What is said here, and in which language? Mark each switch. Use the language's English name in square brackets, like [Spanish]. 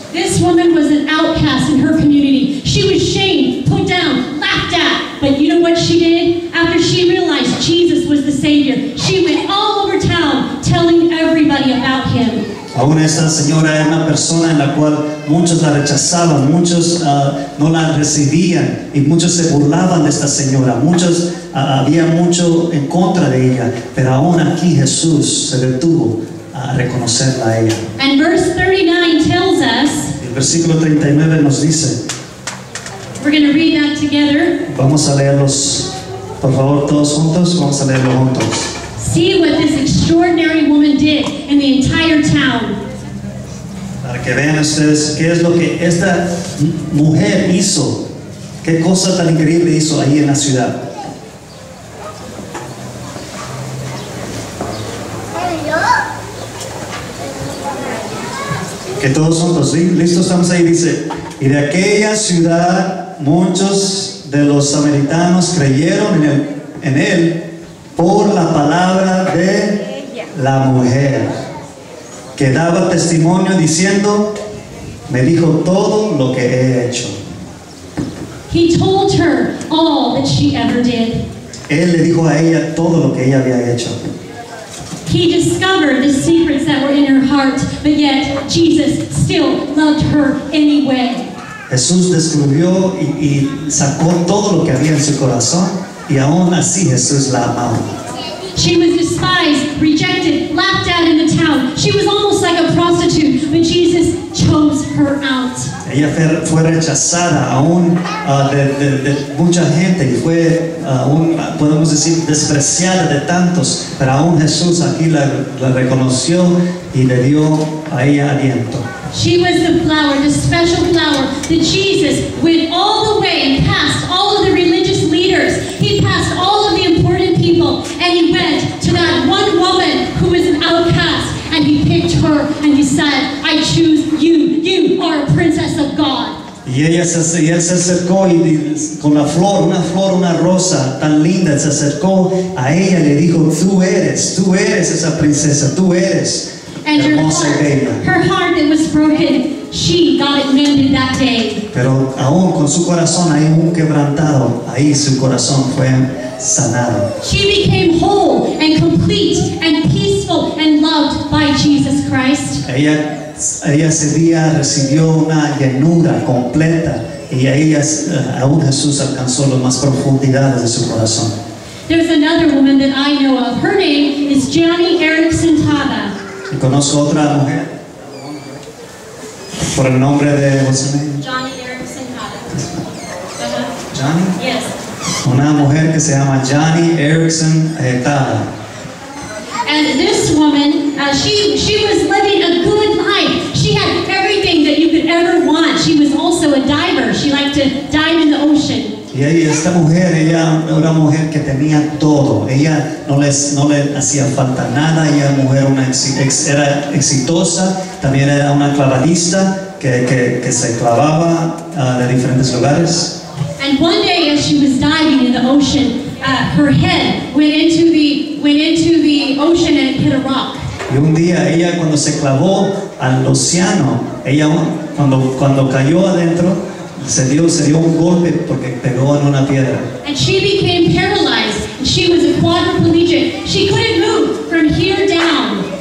[English] This woman was an outcast in her community. She was shamed, put down, laughed at. But you know what she did? After she realized Jesus was the Savior, she went all over town telling everybody about him. [Spanish] Aún esta señora era una persona en la cual muchos la rechazaban, muchos no la recibían y muchos se burlaban de esta señora. Muchos había mucho en contra de ella, pero aún aquí Jesús se detuvo a reconocerla a ella. [English] And verse 39 tells us, [Spanish] el versículo 39 nos dice, [English] we're going to read that together. [Spanish] Vamos a leerlos, por favor, todos juntos, vamos a leerlo juntos. [English] See what this extraordinary woman did in the entire town. [Spanish] Para que vean ustedes qué es lo que esta mujer hizo, qué cosa tan increíble hizo ahí en la ciudad. Que todos juntos, ¿sí? Listos, estamos ahí, dice, y de aquella ciudad muchos de los samaritanos creyeron en él por la palabra de la mujer, que daba testimonio diciendo, me dijo todo lo que he hecho. [English] He told her all that she ever did. [Spanish] Él le dijo a ella todo lo que ella había hecho. [English] He discovered the secrets that were in her heart, but yet Jesus still loved her anyway. [Spanish] Jesús descubrió y sacó todo lo que había en su corazón, y aún así Jesús la amaba. [English] She was despised, rejected, laughed at in the town. She was almost like a prostitute, but Jesus chose her out. [Spanish] Ella fue rechazada aún de mucha gente y fue aún, podemos decir, despreciada de tantos, pero aún Jesús aquí la reconoció y le dio a ella aliento. [English] She was the flower, the special flower that Jesus went all the way and passed all of the religious leaders. He passed all of the important people and he went to that one woman who was an outcast and he picked her and he said, I choose you. You are a princess of God. [Spanish] Y ella se acercó y con la flor, una flor, una rosa tan linda, se acercó a ella y le dijo, tú eres esa princesa, tú eres. [English] And her heart that was broken, she got it mended that day. [Spanish] Pero aún con su corazón ahí un quebrantado, ahí su corazón fue sanado. [English] She became whole and complete and peaceful and loved by Jesus Christ. [Spanish] Ella ese día recibió una llenura completa y aún Jesús alcanzó las más profundidades de su corazón. [English] There's another woman that I know of. Her name is Jani Erickson Tada. [Spanish] Y conozco otra mujer por el nombre de [English] what's her name? Jani Erickson Tada. Jani? Yes. [Spanish] Una mujer que se llama Jani Erickson Tada. [English] And this woman, she was living a good life. She had everything that you could ever want. She was also a diver. She liked to dive in the ocean. [Spanish] Y ahí esta mujer, ella era una mujer que tenía todo. Ella no le hacía falta nada. Ella mujer era exitosa. También era una clavadista que se clavaba de diferentes lugares. [English] And one day as she was diving in the ocean, her head went into the ocean and hit a rock. [Spanish] Y un día ella cuando se clavó al océano, ella cuando cayó adentro, se dio un golpe porque pegó en una piedra. [English] And she became paralyzed. She was a quadriplegic. She couldn't move from here down.